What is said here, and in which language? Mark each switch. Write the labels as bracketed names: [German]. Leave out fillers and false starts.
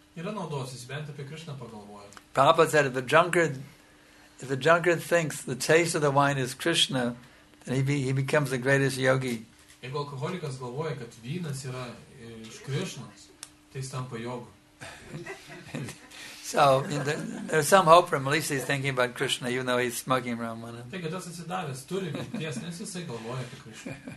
[Lithuanian] Yra naudos, jis bent apie Krishna pagalvoja. [English] Prabhupada said, if the drunkard thinks the taste of the wine is Krishna, then he becomes the greatest yogi. [Lithuanian] Jeigu alkoholikas galvoja, kad vynas yra iš Krishnos, tai jis tampa jogu. [English] So there's some hope for him. At least he's thinking about Krishna, even though he's smoking around with him.